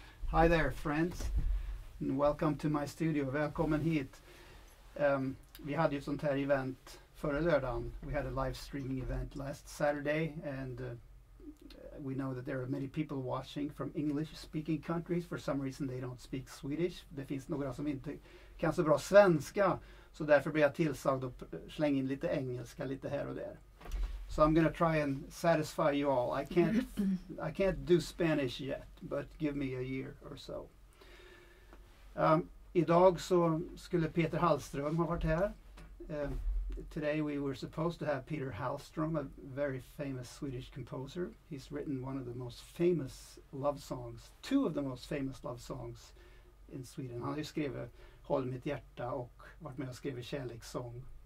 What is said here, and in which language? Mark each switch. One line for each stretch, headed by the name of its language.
English: Hi there, friends, and welcome to my studio.
Swedish: Välkommen hit. Vi hade ju sånt här event förra lördagen.
English: We had a live streaming event last Saturday, and we know that there are many people watching from English-speaking countries. For some reason they don't speak Swedish.
Swedish: Det finns några som inte kan så bra svenska, så därför blir jag tillsagd att slänga in lite engelska lite här och där.
English: So I'm gonna try and satisfy you all. I can't do Spanish yet, but give me a year or so.
Swedish: Idag så skulle Peter Hallström ha varit här.
English: Today we were supposed to have Peter Hallström, a very famous Swedish composer. He's written one of the most famous love songs, two of the most famous love songs in Sweden.
Swedish: Han har skrivit Håll mitt hjärta och varit med och skrivit kärlekssång.